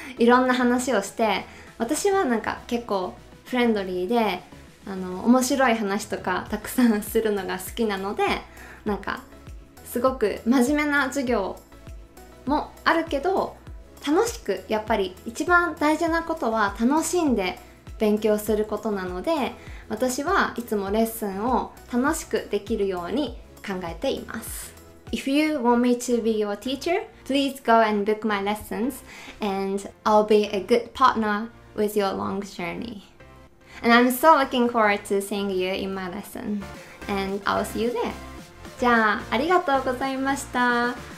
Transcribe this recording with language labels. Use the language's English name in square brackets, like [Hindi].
[Japanese] いろんな話をして私はなんか結構フレンドリーで面白い話とかたくさんするのが好きなのでなんかすごく真面目な授業もあるけど楽しくやっぱり一番大事なことは楽しんで勉強することなので私はいつもレッスンを楽しくできるように考えています。 [English] If you want me to be your teacher, please go and book my lessons and I'll be a good partner with your long journey. And I'm so looking forward to seeing you in my lesson. And I'll see you there. [Japanese] じゃあ、ありがとうございました。